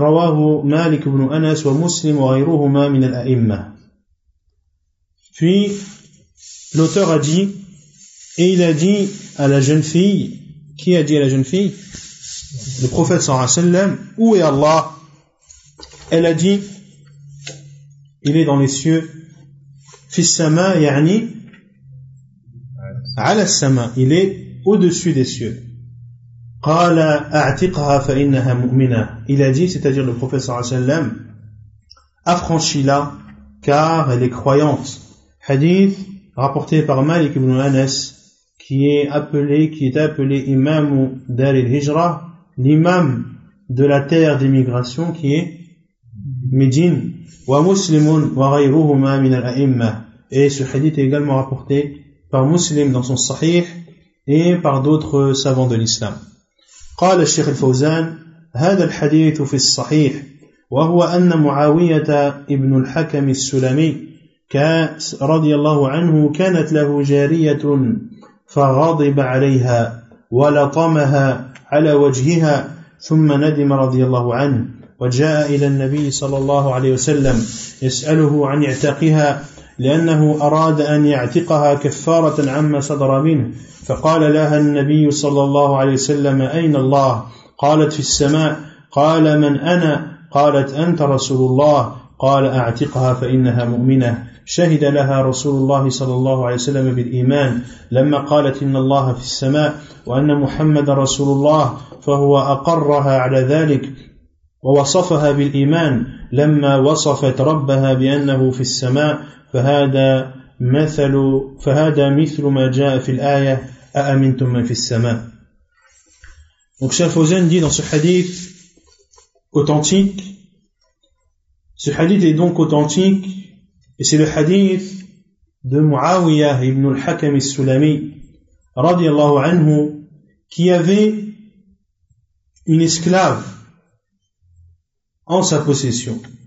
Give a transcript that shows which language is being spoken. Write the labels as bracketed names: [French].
[Arabic] رواه مالك بن أنس ومسلم وغيرهما من الأئمة. [French] Puis l'auteur a dit et il a dit à la jeune fille, qui a dit à la jeune fille, le prophète صلى الله عليه وسلم, où est Allah? Elle a dit il est dans les cieux. [Arabic] Fissama, yani, ala sama, [French] il est au-dessus des cieux. [Arabic] Qala a'tiqha fa innaha mu'mina. [French] Il a dit, c'est-à-dire le prophète sallallahu alayhi wa sallam, affranchis-la, car elle est croyante. Hadith rapporté par Malik ibn Anas, qui est appelé imam dar al-hijra, l'imam de la terre d'immigration, qui est Médine, [Arabic] wa muslimun wa ghayruhuma min al-a'imma. [French] Et ce hadith est également rapporté par Muslim dans son Sahih et par d'autres savants de l'islam. [Arabic] قال الشيخ الفوزان هذا الحديث في الصحيح وهو أن معاوية ابن الحكم السلمي رضي الله عنه كانت له جارية فغضب عليها ولطمها على وجهها ثم ندم رضي الله عنه وجاء إلى النبي صلى الله عليه وسلم يسأله عن اعتاقها لأنه أراد أن يعتقها كفارة عما صدر منه فقال لها النبي صلى الله عليه وسلم أين الله؟ قالت في السماء قال من أنا؟ قالت أنت رسول الله قال أعتقها فإنها مؤمنة شهد لها رسول الله صلى الله عليه وسلم بالإيمان لما قالت إن الله في السماء وأن محمد رسول الله فهو أقرها على ذلك ووصفها بالإيمان لما وصفت ربها بأنه في السماء فهذا مثل ما جاء في الآية أأمنتم من في السماء. [French] Donc Cheikh Fawzan dit dans ce hadith authentique, ce hadith est donc authentique et c'est le hadith de Muawiyah ibn al-Hakam al-Sulami radiallahu anhu, qui avait une esclave en sa possession.